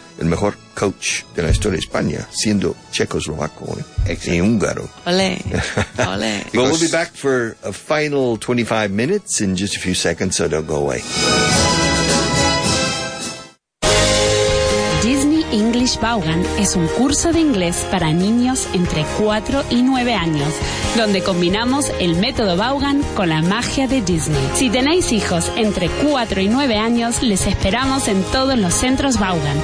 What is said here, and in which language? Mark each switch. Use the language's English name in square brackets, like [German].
[Spanish] El mejor coach de la historia de España, siendo checoslovaco y húngaro. Olé. Olé. [English] But we'll be back for a final 25 minutes in just a few seconds, so don't go away. [Spanish] Disney English Vaughan es un curso de inglés para niños entre 4 y 9 años, donde combinamos el método Vaughan con la magia de Disney. Si tenéis hijos entre 4 y 9 años, les esperamos en todos los centros Vaughan.